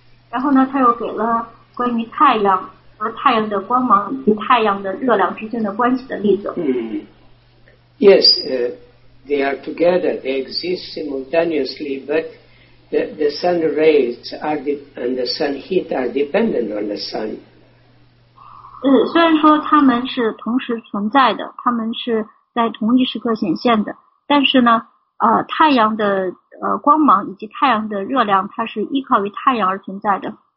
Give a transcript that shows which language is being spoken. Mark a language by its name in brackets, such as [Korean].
[Chinese] 然后呢，他又给了关于太阳和太阳的光芒与太阳的热量之间的关系的例子。 [English] Yes, they are together. They exist simultaneously, but the sun rays are and the sun heat are dependent on the sun. [Chinese] 虽然说它们是同时存在的，它们是在同一时刻显现的，但是呢太阳的光芒以及太阳的热量，它是依靠于太阳而存在的。